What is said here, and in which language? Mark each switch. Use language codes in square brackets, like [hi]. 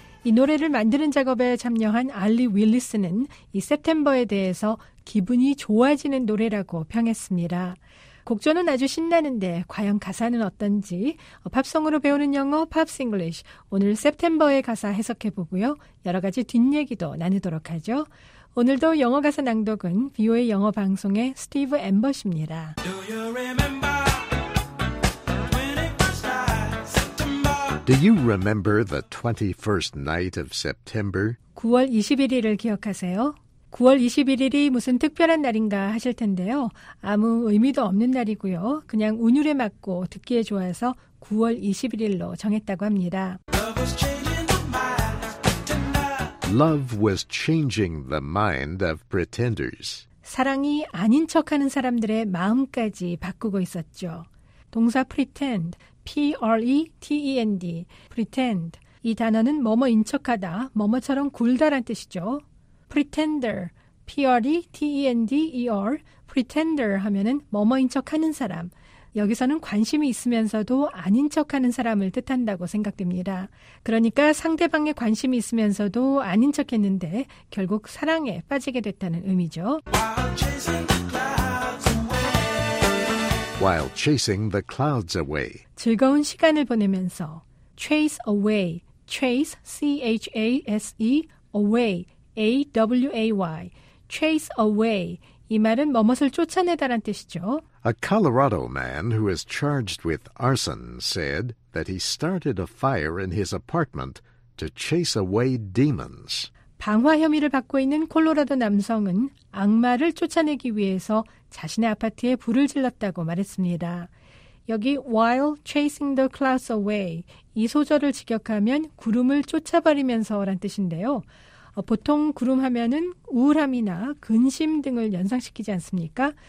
[ko] 이 노래를 만드는 작업에 참여한 알리 윌리스는 이 September에 대해서 기분이 좋아지는 노래라고 평했습니다. 곡조는 아주 신나는데 과연 가사는 어떤지 팝송으로 배우는 영어 팝스 잉글리쉬 오늘 September의 가사 해석해보고요. 여러 가지 뒷얘기도 나누도록 하죠. 오늘도 영어 가사 낭독은 VOA 영어 방송의 스티브 앰버십니다. [en] Do you remember when it was like September? Do you remember the 21st night of September? [ko] 9월 21일을 기억하세요. 9월 21일이 무슨 특별한 날인가 하실 텐데요. 아무 의미도 없는 날이고요. 그냥 운율에 맞고 듣기에 좋아서 9월 21일로 정했다고 합니다. [en] Love was changing the mind of pretenders. [ko] 사랑이 아닌 척하는 사람들의 마음까지 바꾸고 있었죠. 동사 pretend, P-R-E-T-E-N-D, pretend. 이 단어는 뭐뭐인 척하다, 뭐뭐처럼 굴다란 뜻이죠. Pretender, PRETENDER, pretender 하면은 뭐뭐인 척하는 사람. 여기서는 관심이 있으면서도 아닌 척하는 사람을 뜻한다고 생각됩니다. 그러니까 상대방의 관심이 있으면서도 아닌 척했는데 결국 사랑에 빠지게 됐다는 의미죠. [en] While chasing the clouds away. [ko] 즐거운 시간을 보내면서 [en] chase away, chase, chase, away, away, chase away. [ko] 이 말은 뭐뭇을 쫓아내다란 뜻이죠. [en] A Colorado man who is charged with arson said that he started a fire in his apartment to chase away demons. [ko] 방화 혐의를 받고 있는 콜로라도 남성은 악마를 쫓아내기 위해서 자신의 아파트에 불을 질렀다고 말했습니다. 여기 [en] while chasing the clouds away, [ko] 이 소절을 직역하면 구름을 쫓아버리면서란 뜻인데요. 보통 구름 하면은 우울함이나 근심 등을 연상시키지 않습니까?